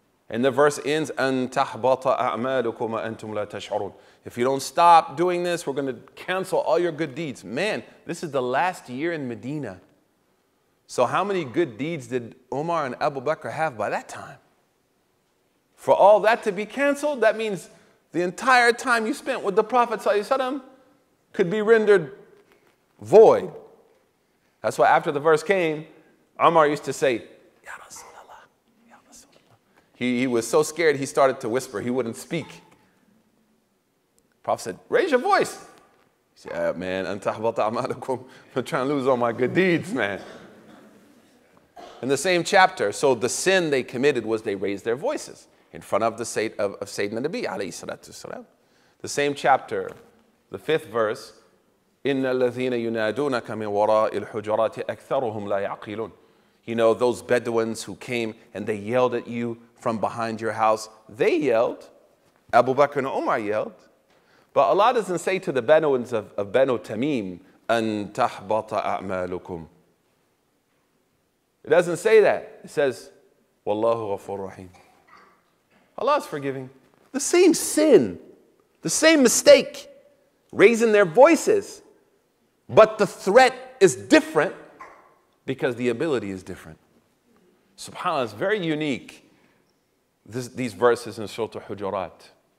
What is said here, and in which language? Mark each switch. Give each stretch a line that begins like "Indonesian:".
English: And the verse ends,
Arabic: أَن تَحْبَطَ أَعْمَالُكُمْ أَنْتُمْ لَا تَشْعُرُونَ.
English: If you don't stop doing this, we're going to cancel all your good deeds. Man, this is the last year in Medina. So how many good deeds did Umar and Abu Bakr have by that time? For all that to be canceled, that means the entire time you spent with the Prophet ﷺ could be rendered void. That's why after the verse came, Umar used to say, Ya Rasulallah, Ya Rasulallah. He was so scared he started to whisper. He wouldn't speak. Prophet said, raise your voice. He said, yeah, man,
Arabic: antahbata amalukum.
English: I'm trying to lose all my good deeds, man. In the same chapter, so the sin they committed was they raised their voices in front of the of Sayyidina Nabi, alayhi salatu salam. The same chapter, the fifth verse,
Arabic: إِنَّ الَّذِينَ يُنَادُونَكَ مِنْ وَرَاءِ الْحُجَرَاتِ أَكْثَرُهُمْ لَا يَعْقِلُونَ.
English: You know, those Bedouins who came and they yelled at you from behind your house, they yelled, Abu Bakr and Umar yelled, but Allah doesn't say to the Bedouins of Banu Tamim,
Arabic: أَن تَحْبَطَ أَعْمَالُكُمْ.
English: It doesn't say that. It says,
Arabic: وَاللَّهُ غَفُورُ رَحِيمٌ.
English: Allah is forgiving. The same sin, the same mistake, raising their voices. But the threat is different because the ability is different. SubhanAllah, it's very unique, these verses in Surah Al-Hujurat.